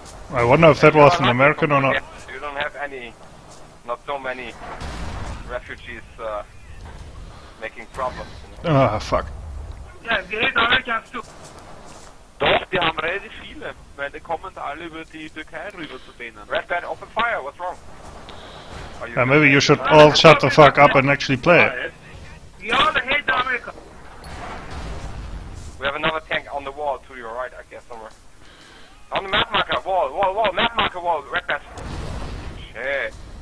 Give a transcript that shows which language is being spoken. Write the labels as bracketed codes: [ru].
[en] I wonder if that was an American or not. You don't have any, not so many refugees making problems. Ah, you know? Fuck. Yeah, we hate Americans too. [de] Doch, die haben relativ viele, weil die kommen alle über die Türkei rüber zu denen. [en] Red Band, open fire, what's wrong? Maybe you should all shut the fuck up and actually play it. We all hate America. We have another tank on the wall to your right, I guess, somewhere. On the map marker, wall, map marker, wall, red patch. Shit.